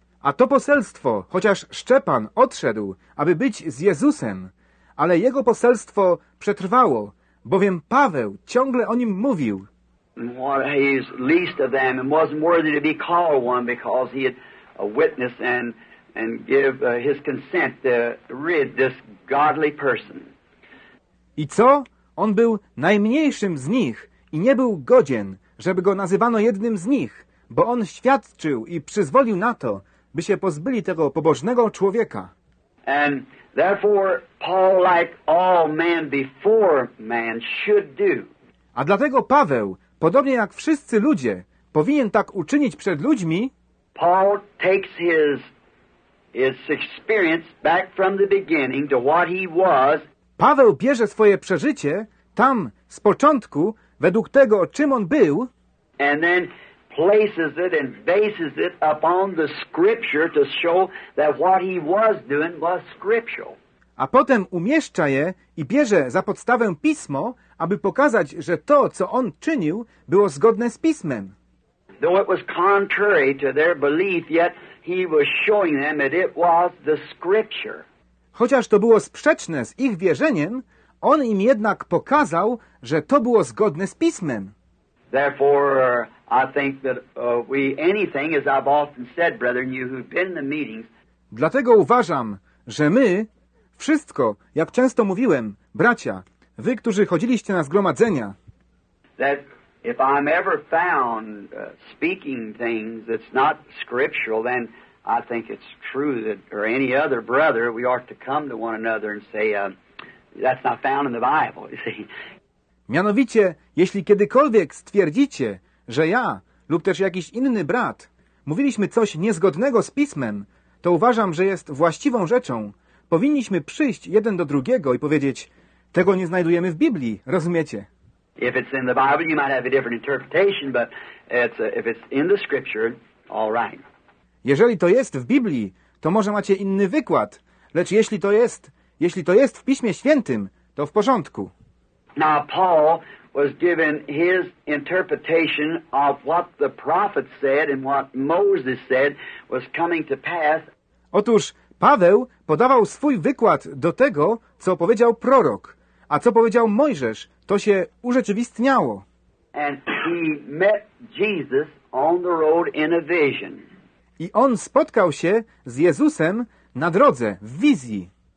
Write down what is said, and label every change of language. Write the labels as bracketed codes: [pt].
[pl] A to poselstwo, chociaż Szczepan odszedł, aby być z Jezusem, ale jego poselstwo przetrwało, bowiem Paweł ciągle o nim mówił. [en] What he's least of them and wasn't worthy to be called one because he had a witness and give his consent to rid this godly person. [pl] I co? On był najmniejszym z nich i nie był godzien, żeby go nazywano jednym z nich, bo on świadczył i przyzwolił na to, by się pozbyli tego pobożnego człowieka. [en] And therefore Paul, like all men before man, should do. [pl] A dlatego Paweł, podobnie jak wszyscy ludzie, powinien tak uczynić przed ludźmi. [en] Paul takes his experience back from the beginning to what he was. [pl] Paweł bierze swoje przeżycie tam z początku według tego, czym on był. [en] And then places it and bases it upon the scripture to show that what he was doing was scriptural. [pl] A potem umieszcza je i bierze za podstawę pismo, aby pokazać, że to, co on czynił, było zgodne z pismem. [en] Though it was contrary to their belief, yet he was showing them that it was the scripture. [pl] Chociaż to było sprzeczne z ich wierzeniem, on im jednak pokazał, że to było zgodne z pismem. [en] Therefore, I think that anything, as I've often said, brethren, you who've been in the meetings. [pl] Dlatego uważam, że my wszystko, jak często mówiłem, bracia, wy, którzy chodziliście na zgromadzenia, [en] that if I'm ever found speaking things that's not scriptural, then I think it's true that, or any other brother, we ought to come to one another and say, that's not found in the Bible, you see. [pl] Mianowicie, jeśli kiedykolwiek stwierdzicie, że ja lub też jakiś inny brat mówiliśmy coś niezgodnego z pismem, to uważam, że jest właściwą rzeczą. Powinniśmy przyjść jeden do drugiego i powiedzieć, tego nie znajdujemy w Biblii, rozumiecie? [en] If it's in the Bible, you might have a different interpretation, but it's if it's in the scripture, all right. [pl] Jeżeli to jest w Biblii, to może macie inny wykład, lecz jeśli to jest w Piśmie Świętym, to w porządku. [en] Now Paul was given his interpretation of what the prophet said and what Moses said was coming to pass. [pl] Otóż Paweł podawał swój wykład do tego, co powiedział prorok, a co powiedział Mojżesz, to się urzeczywistniało. [en] And he met Jesus on the road in a vision. [pl] I on spotkał się z Jezusem na drodze, w wizji.